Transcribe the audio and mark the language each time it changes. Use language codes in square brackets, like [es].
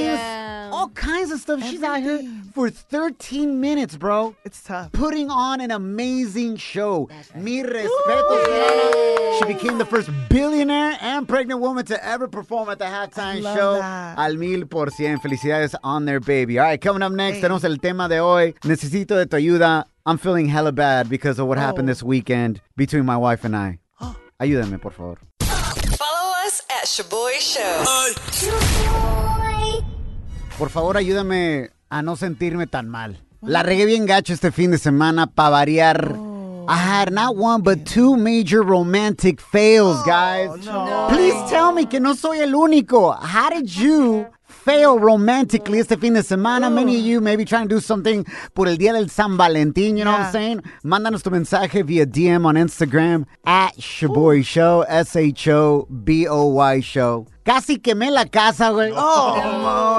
[en] Yeah. All kinds of stuff. Everything. She's out here for 13 minutes, bro. It's tough. Putting on an amazing show. That's right. [es] Mi respeto, [en] Rihanna. She became the first billionaire and pregnant woman to ever perform at the halftime show. That. [es] Al 1000%. Felicidades [en] on their baby. All right, coming up next, [es] tenemos el tema de hoy. Necesito de tu ayuda. [en] I'm feeling hella bad because of what happened this weekend between my wife and I. [es] Ayúdame, por favor. [en] Follow us at Shaboy Show. [es] Por favor, ayúdame a no sentirme tan mal. La regué bien gacho este fin de semana para variar. [en] I had not one, but two major romantic fails, guys. No. Please tell me [es] que no soy el único. [en] How did you fail romantically [es] este fin de semana? [en] Ooh. Many of you may be trying to do something [es] por el día del San Valentín, [en] you know what I'm saying? [es] Mándanos tu mensaje via DM on Instagram at Shaboy Show, Shaboy Show. Casi quemé la casa, güey. [en] Oh,